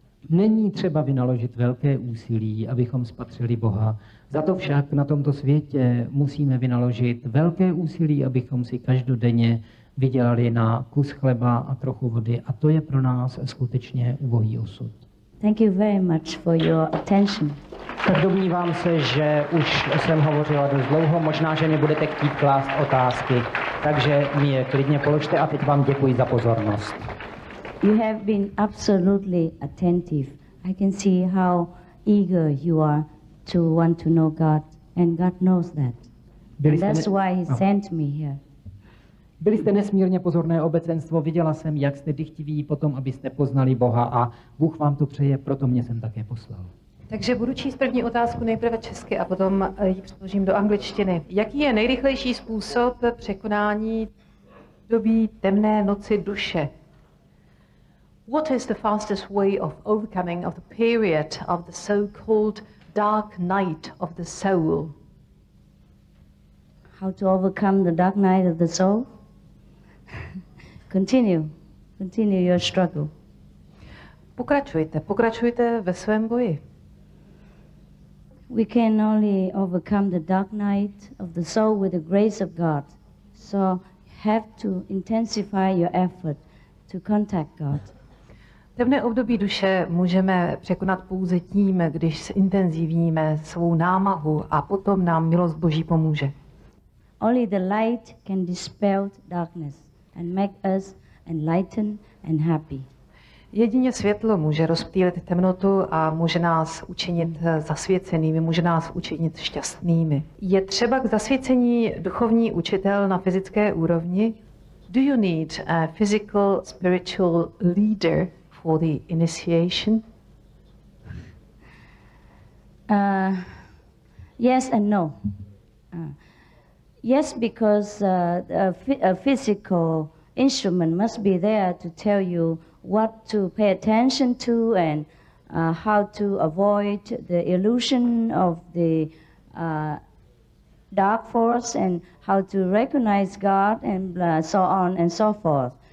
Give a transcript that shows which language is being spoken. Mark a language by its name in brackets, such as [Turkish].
[Czech] Není třeba vynaložit velké úsilí, abychom spatřili Boha. Za to však na tomto světě musíme vynaložit velké úsilí, abychom si každodenně vydělali na kus chleba a trochu vody. A to je pro nás skutečně ubohý osud. [English] Thank you very much for your attention. [Czech] Tak domnívám se, že už jsem hovořila dost dlouho, možná, že mě budete chtít klást otázky. Takže mi je klidně položte a teď vám děkuji za pozornost. [English] You have been absolutely attentive. I can see how eager you are to want to know God, and God knows that. That's why he sent me here. [Czech] Byli jste nesmírně pozorné obecenstvo, viděla jsem, jak jste dychtiví potom, abyste poznali Boha a Bůh vám to přeje, proto mě jsem také poslal. Takže budu číst první otázku nejprve česky a potom ji přeložím do angličtiny. Jaký je nejrychlejší způsob překonání doby temné noci duše? [English] What is the fastest way of overcoming of the period of the so-called dark night of the soul? How to overcome the dark night of the soul? Continue your struggle. [Czech] Pokračujte ve svém boji. [English] We can only overcome the dark night of the soul with the grace of God. So have to intensify your effort to contact God. [Czech] Temné období duše můžeme překonat pouze tím, když zintenzivníme svou námahu a potom nám milost Boží pomůže. [English] Only the light can dispel darkness and make us enlightened and happy. [Czech] Jedině světlo může rozptýlit temnotu a může nás učinit zasvěcenými, může nás učinit šťastnými. Je třeba k zasvěcení duchovní učitel na fyzické úrovni? [English] Do you need a physical spiritual leader for the initiation? Yes and no. Yes, because a physical instrument must be there to tell you what to pay attention to and how to avoid the illusion of the dark force and how to recognize God and so on and so forth.